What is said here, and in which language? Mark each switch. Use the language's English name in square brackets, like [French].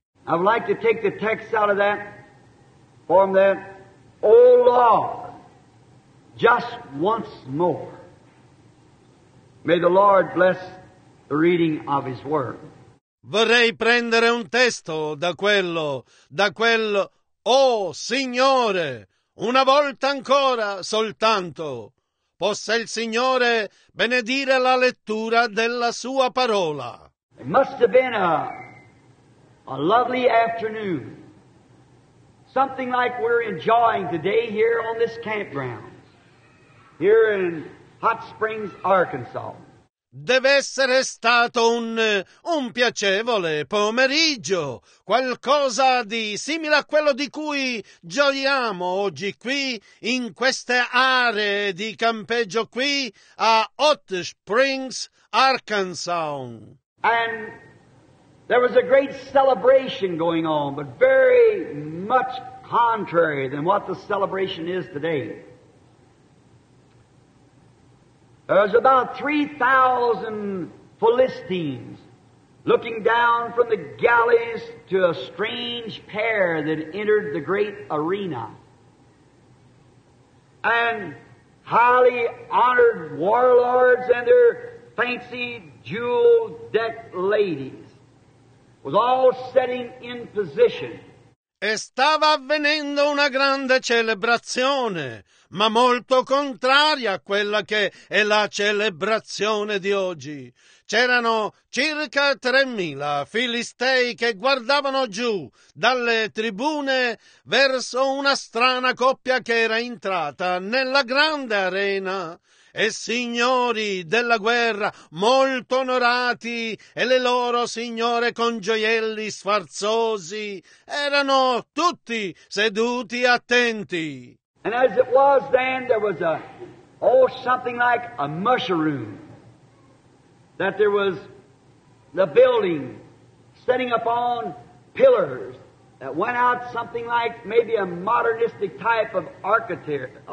[English] I would like to take the text out of that, from that, oh Lord, just once more. May the Lord bless the reading of His Word. [Italian] Vorrei prendere un testo da quel. Oh, Signore, una volta ancora soltanto, Possa il Signore benedire la lettura della sua parola. [English] It must have been a lovely afternoon. Something like we're enjoying today here on this campground. Here in Hot Springs, Arkansas. [Italian] Deve essere stato un piacevole pomeriggio, qualcosa di simile a quello di cui gioiamo oggi qui in queste aree di campeggio qui a Hot Springs, Arkansas. [English] And there was a great celebration going on, but very much contrary than what the celebration is today. There was about 3,000 Philistines looking down from the galleys to a strange pair that entered the great arena. And highly honored warlords and their fancy jewel-decked ladies was all sitting in position. [Italian] E stava avvenendo una grande celebrazione, ma molto contraria a quella che è la celebrazione di oggi. C'erano circa 3,000 filistei che guardavano giù dalle tribune verso una strana coppia che era entrata nella grande arena. E signori della guerra, molto onorati, e le loro signore con gioielli sfarzosi, erano tutti seduti attenti. [English] And as it was then, there was something like a mushroom, that there was the building setting upon pillars that went out something like maybe a modernistic type of architecture.